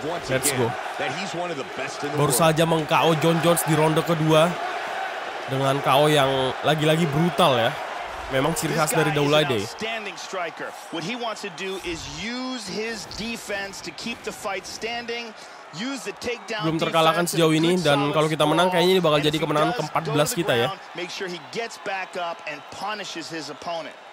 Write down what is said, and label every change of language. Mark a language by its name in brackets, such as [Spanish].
[English] Let's go. [Indonesian] Baru saja meng-KO John Jones di ronde kedua dengan KO yang lagi-lagi brutal ya. Memang ciri khas dari Daulade. [English] What he wants to do is use his defense to keep the fight standing. [Indonesian] Belum terkalahkan sejauh ini, dan kalau kita menang kayaknya ini bakal jadi kemenangan ke-14 kita ya. [English] Make sure he gets back up and punishes his opponent.